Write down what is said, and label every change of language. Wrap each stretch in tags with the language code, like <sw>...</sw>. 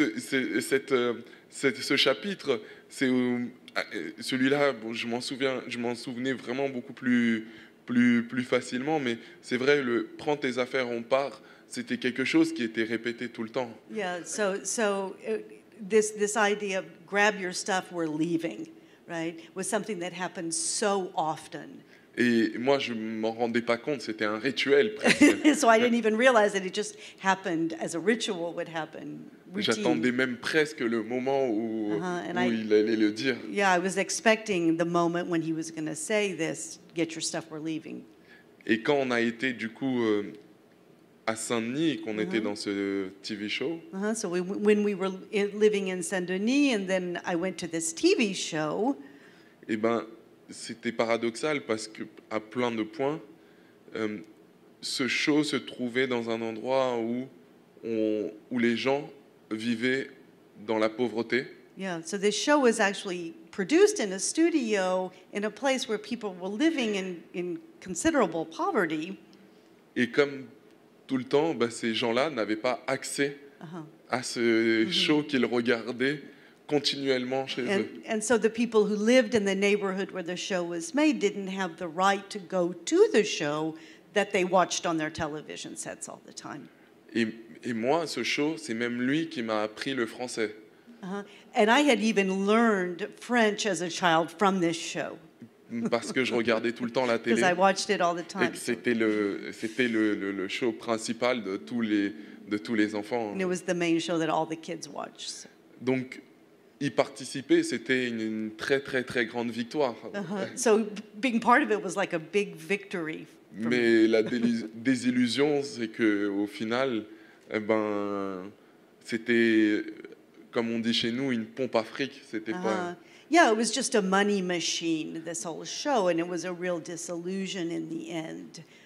<fr>Et du coup, ce chapitre, c'est celui-là, bon, je m'en souvenais vraiment beaucoup plus facilement, mais c'est vrai, le « prends tes affaires, on part », c'était quelque chose qui était répété tout le temps.</fr> <en>Yeah, so this idea of « grab your stuff, we're leaving », right, was something that happened so often.</en> <fr>Et moi, je ne m'en rendais pas compte, c'était un rituel presque.</fr> <en>So I didn't even realize that it just happened as a ritual would happen. Routine.</en> <fr>J'attendais même presque le moment où, il allait le dire.</fr> <en>Yeah, I was expecting the moment when he was going to say this, get your stuff, we're leaving.</en> <fr>Et quand on a été du coup à Saint-Denis, qu'on était dans ce TV show.</fr> <en>When we were living in Saint-Denis and then I went to this TV show.</en> <fr>Eh ben, c'était paradoxal parce que à plein de points, ce show se trouvait dans un endroit où les gens vivait dans la pauvreté.</fr> <en>Yeah, so this show was actually produced in a studio in a place where people were living in considerable poverty.</en> <fr>Et comme tout le temps, bah, ces gens-là n'avaient pas accès à ce show qu'ils regardaient continuellement chez eux.</fr> <en>And so the people who lived in the neighborhood where the show was made didn't have the right to go to the show that they watched on their television sets all the time.</en> <fr>Et moi, ce show, c'est même lui qui m'a appris le français.</fr> <en>And I had even learned French as a child from this show.</en> <fr>Parce que je regardais tout le temps la télé.</fr> <en>Because I watched it all the time.</en> <fr>Et c'était le show principal de tous les enfants.</fr> <en>And it was the main show that all the kids watched.</en> <fr>Donc, y participer, c'était une très très très grande victoire.</fr> <en>So being part of it was like a big victory.</en> <fr>Mais la désillusion, c'est que au final, eh ben, c'était, comme on dit chez nous, une pompe à fric. C'était pas.</fr> <en>Yeah, it was just a money machine, this whole show, and it was a real disillusion in the end.</en>